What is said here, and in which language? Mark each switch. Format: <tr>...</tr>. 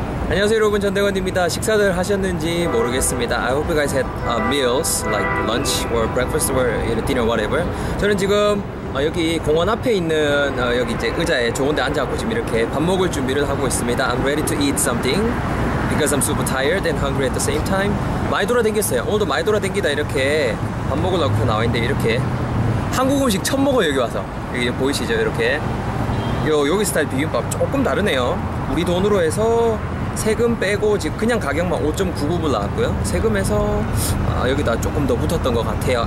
<ko>안녕하세요 여러분, 전대건입니다. 식사들 하셨는지 모르겠습니다.</ko> <en>I hope you guys had meals like lunch or breakfast or dinner whatever.</en> <ko>저는 지금 여기 공원 앞에 있는 여기 이제 의자에 좋은 데 앉아갖고 지금 이렇게 밥 먹을 준비를 하고 있습니다.</ko> <en>I'm ready to eat something because I'm super tired and hungry at the same time.</en> <ko>많이 돌아댕겼어요. 오늘도 많이 돌아댕기다 이렇게 밥 먹으려고 나와있는데 이렇게 한국 음식 처음 먹어요. 여기 와서 여기 보이시죠? 이렇게 여기 스타일 비빔밥 조금 다르네요. 우리 돈으로 해서 세금 빼고 지금 그냥 가격만 5.99불 나왔고요. 세금에서 여기다 조금 더 붙었던 것 같아요.</ko>